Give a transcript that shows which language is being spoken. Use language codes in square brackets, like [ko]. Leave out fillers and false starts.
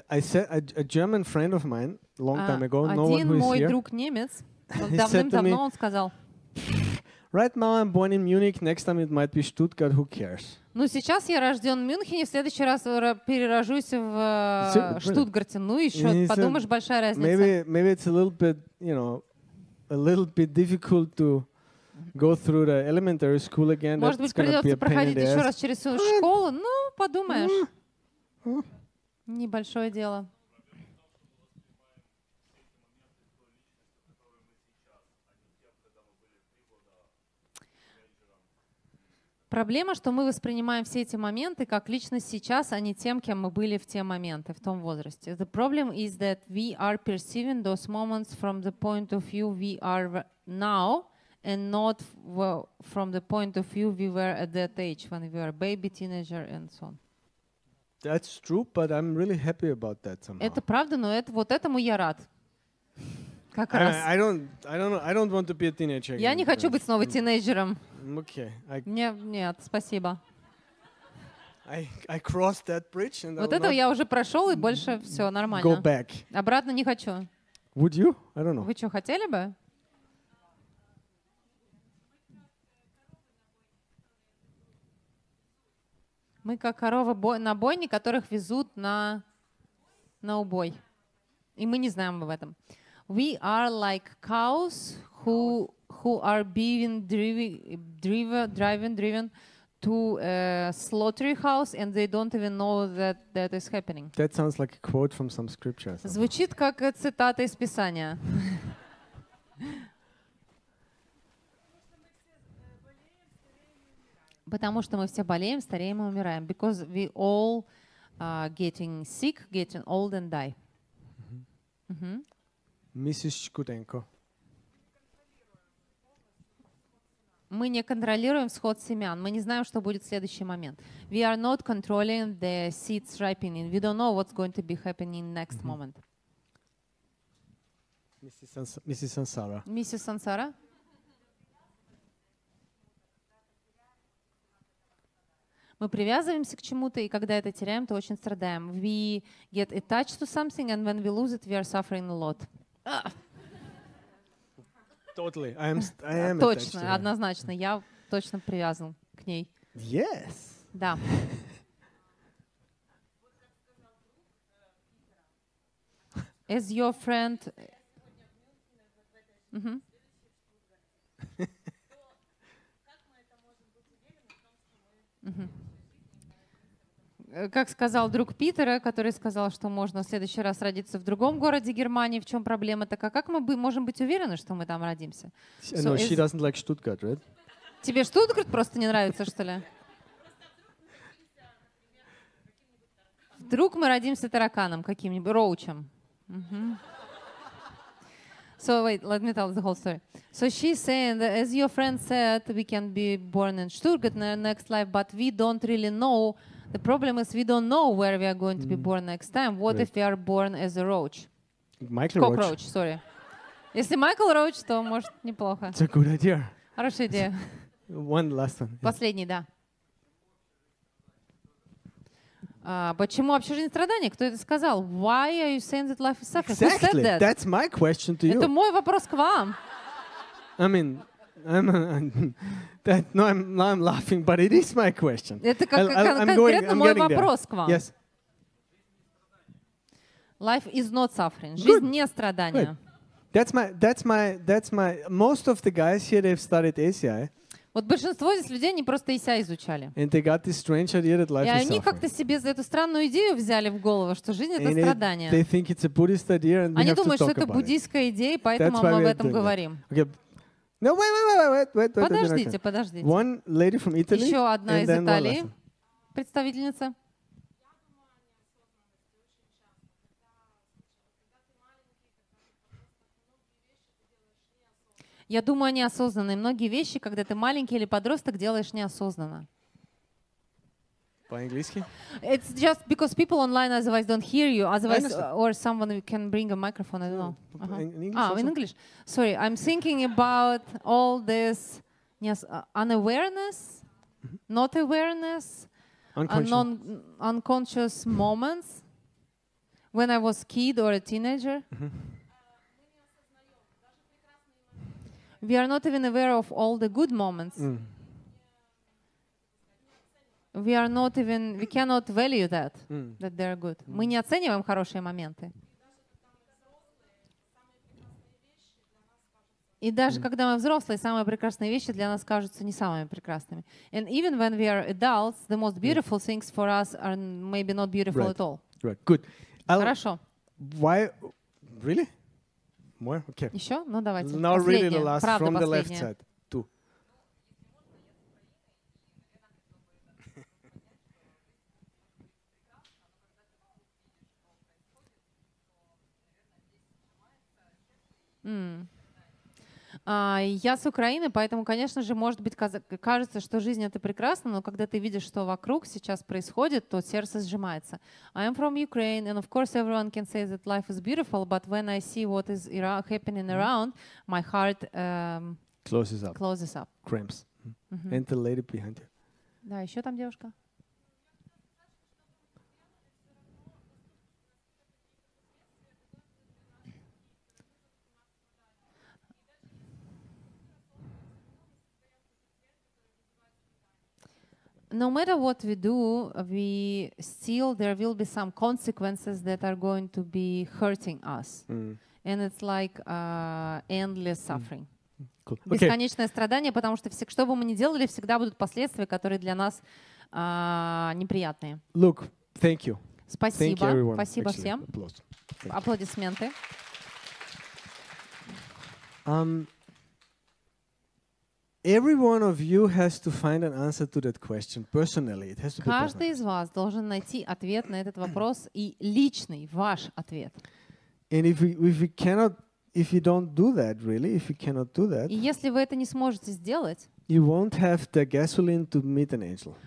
[en] I said a German friend of mine long time ago. No one who is [ru] Один мой друг немец. Давным-давно он сказал. [en] Right now I'm born in Munich. Next time it might be Stuttgart. Who cares? [ru] Ну сейчас я рожден в Мюнхене. В следующий раз перерожусь в Штутгарте. Ну еще подумаешь, большая разница. [en] Maybe it's a little bit, you know, a little bit difficult to. Go through the elementary school again. [ru] Может быть, придется проходить еще раз через свою школу. Ну, подумаешь. Небольшое дело. проблема, что мы воспринимаем все эти моменты как личность сейчас, а не тем, кем мы были в те моменты, в том возрасте. [en] The problem is that we are perceiving those moments from the point of view we are now and not from the point of view we were at that age when we were a baby, teenager and so on. That's true, but I'm really happy about that somehow. [ru] Это правда, но это вот этому я рад. Как раз. [en] I don't want to be a teenager. [ru] Я не хочу быть снова тинейджером. [en] Okay. [ru] Нет, спасибо. [en] I crossed that bridge and [ru] вот это я уже прошел и больше все нормально. [en] Go back. [ru] Обратно не хочу. [en] Would you? I don't know. [ru] Вы что, хотели бы? Мы как коровы на бойне, которых везут на убой. И мы не знаем об этом. [en] We are like cows who are being driven to a slaughterhouse and they don't even know that is happening. That sounds like a quote from some scripture. [ru] Звучит как цитата из Писания. Потому что мы все болеем, стареем и умираем. [en] Because we all getting sick, getting old and die. [ru] Миссис Чкуденко. Мы не контролируем всход семян. Мы не знаем, что будет в следующий момент. [en] We are not controlling the seeds ripening. We don't know what's going to be happening next moment. [ru] Миссис Сансара. Миссис Сансара. Мы привязываемся к чему-то, и когда это теряем, то очень страдаем. [en] We get attached to something, and when we lose it, we are suffering a lot. Totally. I am [ru] точно, однозначно. Я точно привязан к ней. [en] Yes. [ru] Да. [en] As your friend... [ru] Как сказал друг Питера, который сказал, что можно в следующий раз родиться в другом городе Германии, в чем проблема? Так а как мы можем быть уверены, что мы там родимся? [en] No, she doesn't like Stuttgart, right? [ru] Тебе Штутгарт просто не нравится, что ли? Вдруг мы родимся тараканом каким-нибудь, роучем. [en] So wait, let me tell the whole story. So she's saying that, as your friend said, we can be born in Stuttgart in our next life, but we don't really know. The problem is we don't know where we are going to be born next time. What if we are born as a roach? Michael Roach. Cockroach, sorry. [ru] Если Michael Roach, то, может, неплохо. [en] It's a good idea. [ru] Хорошая идея. [en] One last one. [ru] Последний, да. Почему вообще жизнь страдания? Кто это сказал? [en] Why are you saying that life is suffering? Exactly. Who said that? That's my question to you. [ru] Это мой вопрос к вам. [en] I mean... I'm laughing, but it is my question. [ru] Это конкретно мой вопрос к вам. [en] Yes. Life is not suffering. [ru] Жизнь не страдание. [en] That's my most of the guys here they've studied ACI. [ru] Вот большинство здесь людей они просто ACI изучали. [en] And they got this strange idea that life is suffering. [ru] И они как-то себе за эту странную идею взяли в голову, что жизнь это страдание. [en] They think it's a Buddhist idea and we have to talk about it. [ru] Они думают, что это буддийская идея, поэтому мы об этом говорим. [en] No, wait. [ru] Подождите. [en] One lady from Italy. [ru] Еще одна из Италии. Представительница. Я думаю, они осознанные. Многие вещи, когда ты маленький или подросток, делаешь неосознанно. По-английски? [en] It's just because people online otherwise don't hear you, otherwise or someone can bring a microphone, I don't know. In English. Sorry, I'm thinking about all this unawareness, not awareness, unconscious moments when I was a kid or a teenager. We are not even aware of all the good moments. We are not even, we cannot value that, that they are good. [ru] Мы не оцениваем хорошие моменты. И даже когда мы взрослые, самые прекрасные вещи для нас кажутся не самыми прекрасными. [en] And even when we are adults, the most beautiful things for us are maybe not beautiful right. at all. Right. Good. [ru] Хорошо. [en] Why? Really? More? Okay. [ru] Еще? Ну давайте. [en] Not really [ru] последняя. [en] The last [ru] Правда, [en] from [ru] последняя. [en] The left side. [ru] Я с Украины, поэтому, конечно же, может быть, кажется, что жизнь — это прекрасно, но когда ты видишь, что вокруг сейчас происходит, то сердце сжимается. [en] I am from Ukraine, and of course everyone can say that life is beautiful, but when I see what is happening around, my heart closes up. Cramps. Mm-hmm. And the lady behind you. [ru] Да, еще там девушка. [en] No matter what we do, we still there will be some consequences that are going to be hurting us, and it's like endless suffering. Cool. Okay. [ru] Бесконечное страдание, потому что все, что бы мы ни делали, всегда будут последствия, которые для нас неприятные. [en] Look, thank you. [ru] Спасибо. [en] Thank you, everyone. [ru] Спасибо всем. Аплодисменты. [en] Every one of you has to find an answer to that question personally. It has to be personal. [ru] Каждый из вас должен найти ответ на этот вопрос и личный ваш ответ. [en] And if you cannot do that, [ru] и если вы это не сможете сделать, [en] you won't have the gasoline to meet an angel.